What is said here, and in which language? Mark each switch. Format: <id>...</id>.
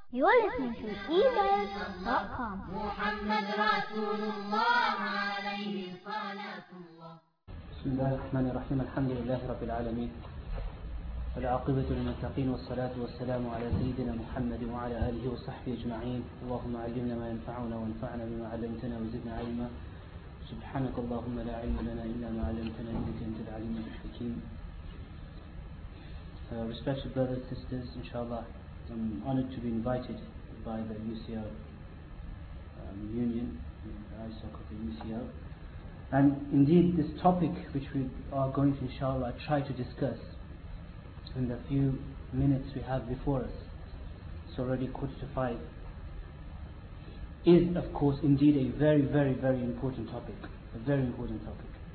<en>You're listening to ebuzz.com.</en> <ar>محمد رسول الله عليه الصلاة. بسم الله الرحمن الرحيم. الحمد لله رب العالمين، العاقبة للمتقين، والصلاة والسلام على سيدنا محمد وعلى آله وصحبه أجمعين. اللهم علمنا ما ينفعنا وانفعنا بما علمتنا وزدنا علما. سبحانك اللهم لا علم لنا إلا ما علمتنا إنك أنت العليم الحكيم.</ar> <en>Respected brothers and sisters, inshallah, I'm honored to be invited by the UCL union, the ISOC of the UCL. And indeed, this topic which we are going to, inshallah, try to discuss in the few minutes we have before us, it's already 4:45, is of course indeed a very important topic, a very important topic.</en>